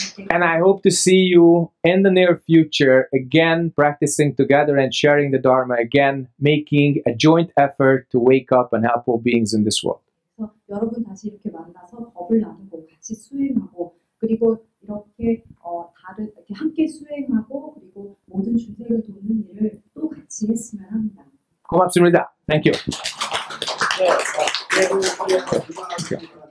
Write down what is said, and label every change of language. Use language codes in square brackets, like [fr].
[en] And I hope to see you in the near future again practicing together and sharing the Dharma again, making a joint effort to wake up and help all beings in this world. [ko] 여러분 다시 이렇게 만나서 법을 나누고 같이 수행하고 그리고 이렇게 다른 이렇게 함께 수행하고 그리고 모든 주제를 돕는 일을 또 같이 했으면 합니다. 고맙습니다. [en] Thank you.